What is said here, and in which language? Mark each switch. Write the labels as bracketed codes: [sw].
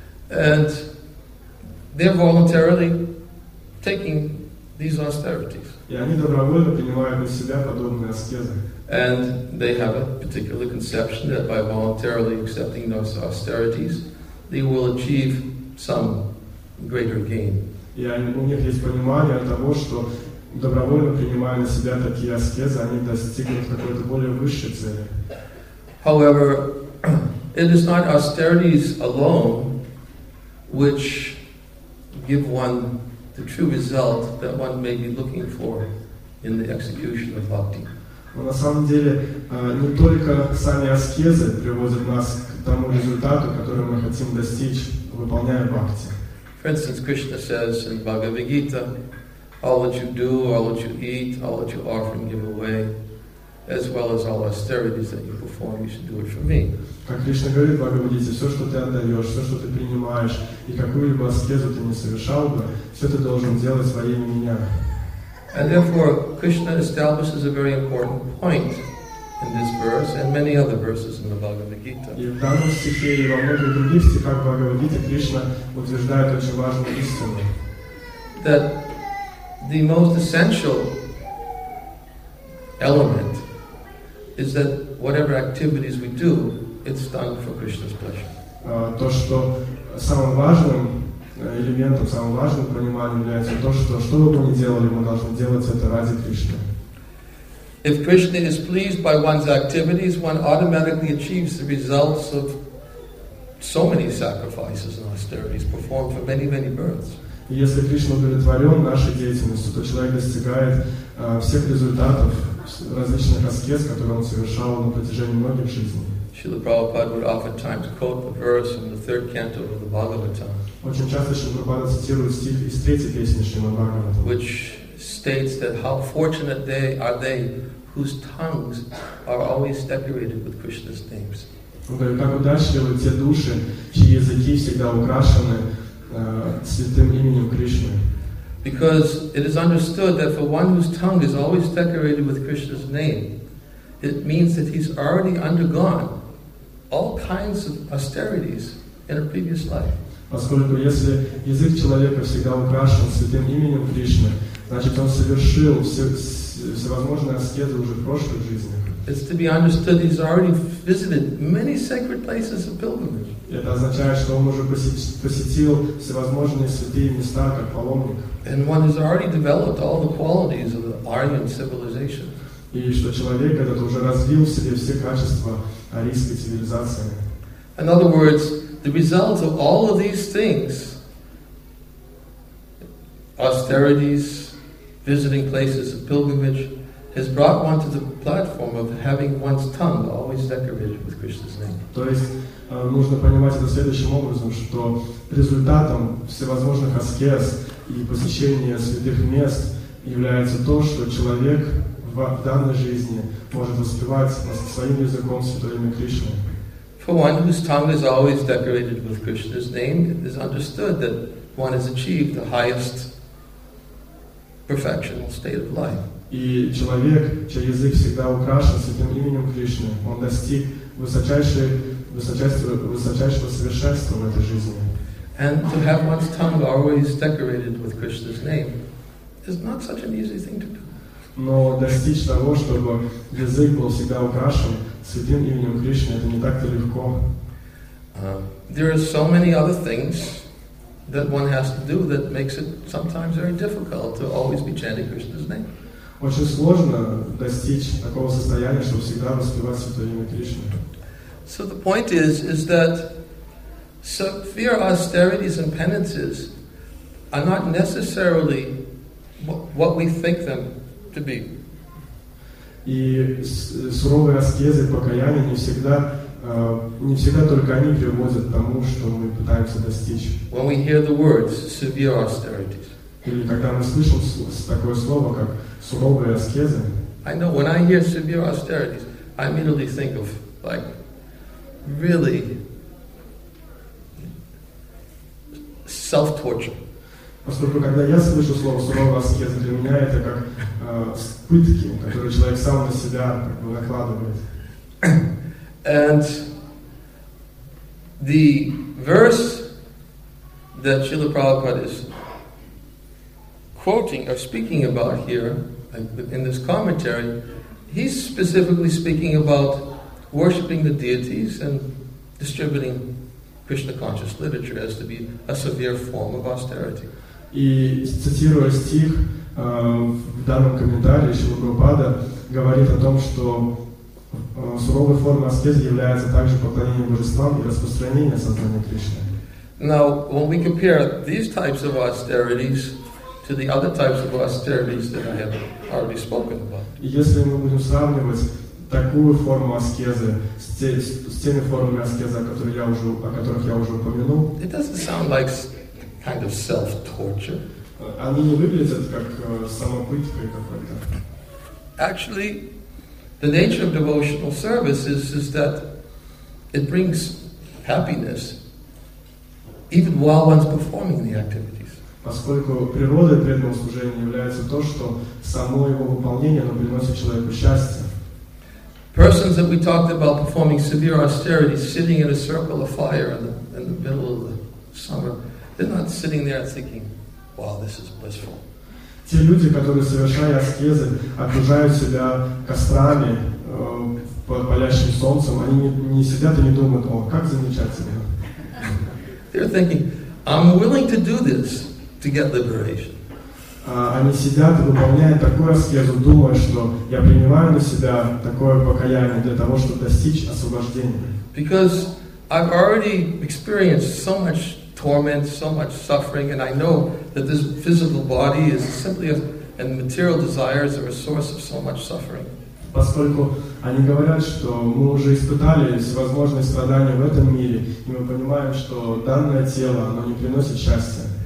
[en] And they're voluntarily taking these austerities. [ru] И они добровольно принимают на себя подобные аскезы. [en] And they have a particular conception that by voluntarily accepting those austerities, they will achieve some greater gain. [ru] И у них есть понимание того, что добровольно принимая на себя такие аскезы, они достигнут какой-то более высшей цели. [en] However, it is not austerities alone which give one the true result that one may be looking for in the execution of bhakti. [ru] Но на самом деле не только сами аскезы приводят нас к тому результату, который мы хотим достичь, выполняя бхакти. [en] For instance, Krishna says in Bhagavad Gita, all that you do, all that you eat, all that you offer and give away, as well as all austerities that you perform, you should do it for me. [ru] Как Кришна говорит в Бхагавад-гите, все, что ты отдаешь, все, что ты принимаешь, и какую-либо аскезу ты не совершал бы, все ты должен делать во имя меня. [en] And therefore, Krishna establishes a very important point in this verse and many other verses in the Bhagavad Gita. [ru] И в данном стихе и во многих других стихах Бхагавад-гите Кришна утверждает очень важную истину. [en] That the most essential element is that whatever activities we do, it's done for Krishna's pleasure. [ru] То, что самым важным элементом, самым важным пониманием является то, что бы мы ни делали, мы должны делать это ради Кришны. [en] If Krishna is pleased by one's activities, one automatically achieves the results of so many sacrifices and austerities performed for many, many births. [ru] Если Кришна удовлетворен нашей деятельностью, то человек достигает всех результатов различных аскез, которые он совершал на протяжении многих жизней. [en] Srila Prabhupada would often time to quote the verse from the third canto of the Bhagavatam. [ru] Очень часто Srila Prabhupada цитирует стих из третьей песни Шримад Бхагаватам, [en] which states that how fortunate they are they whose tongues are always decorated with Krishna's names. [ru] Он говорит, как удачливы те души, чьи языки всегда украшены святым именем Кришны. [en] Because it is understood that for one whose tongue is always decorated with Krishna's name, it means that he's already undergone all kinds of austerities in a previous life. [ru] Поскольку если язык человека всегда украшен святым именем Кришны, значит он совершил всевозможные аскезы уже в прошлых жизнях. [en] It's to be understood he's already visited many sacred places of pilgrimage. [ru] Это означает, что он уже посетил всевозможные святые места как паломник. [en] And one has already developed all the qualities of the Aryan civilization. [ru] И что человек этот уже развил в себе все качества арийской цивилизации. [en] In other words, the result of all of these things, austerities, visiting places of pilgrimage, has brought one to the platform of having one's tongue always decorated with Krishna's name. [ru] То есть нужно понимать это следующим образом, что результатом всевозможных аскез и посещения святых мест является то, что человек в данной жизни может воспевать своим языком святое имя Кришны. [en] For one whose tongue is always decorated with Krishna's name, it is understood that one has achieved the highest perfectional state of life. [ru] И человек, чей язык всегда украшен святым именем Кришны, он достиг высочайшего совершенства в этой жизни. [en] And to have one's tongue always decorated with Krishna's name is not such an easy thing to do. [ru] Но достичь того, чтобы язык был всегда украшен святым именем Кришны, это не так-то легко. [en] There are so many other things that one has to do that makes it sometimes very difficult to always be chanting Krishna's name. [ru] Очень сложно достичь такого состояния, чтобы всегда воспевать святое имя Кришны. [en] So the point is that severe austerities and penances are not necessarily what we think them to be. [ru] И суровые аскезы, покаяние не всегда только они приводят к тому, что мы пытаемся достичь. [en] When we hear the words severe austerities. [ru] Или когда мы слышим такое слово, как суровые аскезы. [en] I know, when I hear severe austerities, I immediately think of, like, really self-torture. [ru] Поскольку, когда я слышу слово суровые аскезы, для меня это как пытки, которые человек сам на себя накладывает. [en] And the verse that Srila Prabhupada is quoting or speaking about here in this commentary, he's specifically speaking about worshipping the deities and distributing Krishna conscious literature as to be a severe form of austerity. [ru] И цитируя стих в данном комментарии Шрила Прабхупада говорит о том, что суровой формой аскезы является также поклонение божествам и распространение сознания Кришны. [en] Now, when we compare these types of austerities to the other types of austerities that I have already spoken about. [ru] Если мы будем сравнивать такую форму аскезы с теми формами аскезы, о которых я уже упомянул, [en] it doesn't sound like kind of self-torture. [ru] Они не выглядят как самопытка какой-то. [en] Actually, the nature of devotional service is that it brings happiness even while one's performing the activity. [ru] Поскольку природой преданного служения является то, что само его выполнение, оно приносит человеку счастье. [en] Persons that we talked about performing severe austerity, sitting in a circle of fire in the middle of the summer, they're not sitting there thinking, wow, this is blissful. [ru] Те люди, которые совершали аскезы, окружают себя кострами под палящим солнцем, они не сидят и не думают, о, как замечательно. [en] They're thinking, I'm willing to do this to get liberation. [ru] они сидят и выполняют такую аскезу, думая, что я принимаю на себя такое покаяние для того, чтобы достичь освобождения. [en] Because I've already experienced so much torment, so much suffering, and I know that this physical body is simply a, and material desires are a source of so much suffering. [ru] Поскольку они говорят, что мы уже испытали всевозможные страдания в этом мире, и мы понимаем, что данное тело, оно не приносит счастья.